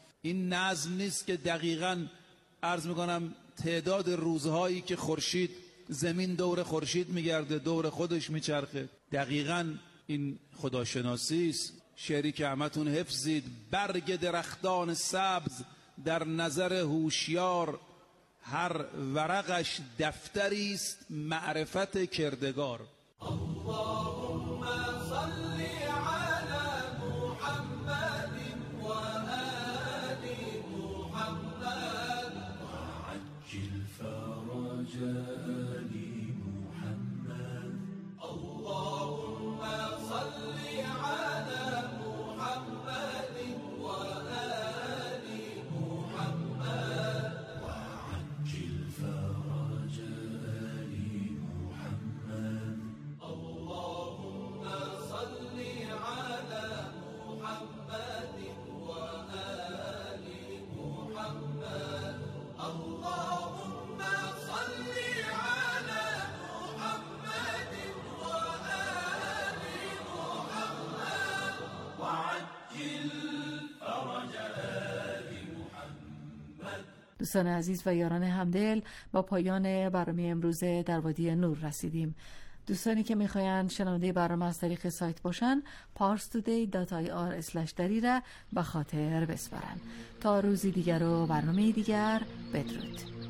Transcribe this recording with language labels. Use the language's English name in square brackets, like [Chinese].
[Persian] این نظم نیست که دقیقاً عرض میکنم تعداد روزهایی که خورشید زمین دور خورشید میگرده، دور خودش میچرخه. دقیقاً این خداشناسی است. شعری که همتون حفظید، برگ درختان سبز در نظر هوشیار، هر ورقش دفتری است معرفت کردگار. [Arabic] اللهم صل على محمد و آل محمد و عجل فرج آل محمد. اللهم صل على محمد و آل محمد و عجل فرج آل محمد. اللهم صل على محمد و آل محمد. اللهم صل على محمد و آل محمد و عجل فرج آل محمد. [Persian] دوستان عزیز و یاران همدل، با پایان برنامه امروز در وادی نور رسیدیم. دوستانی که میخواین شنونده برنامه از طریق سایت باشن، parstoday.ir/dari را به خاطر بسپارن. تا روزی دیگر و برنامه دیگر، بدرود.